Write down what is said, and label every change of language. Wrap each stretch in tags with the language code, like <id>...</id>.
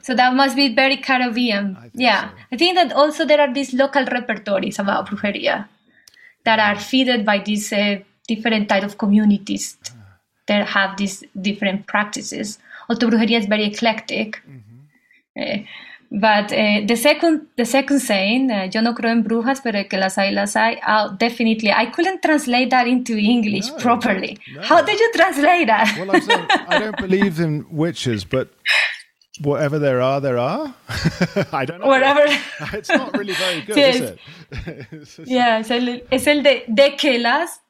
<en>So that must be very Caribbean. Yeah. So. I think that also there are these local repertories about brujería that are fed by these different type of communities that have these different practices. Although brujería is very eclectic.</en> <es>But the second saying, yo no creo en brujas, pero que las hay, las hay.</es> <en>Oh, definitely, I couldn't translate that into English properly. No. How did you translate that? Well, I'm saying I don't believe in witches, but whatever there are, there are. I don't know. Whatever. It's not really very good, is it?</en> <es>it's el de que las.</es>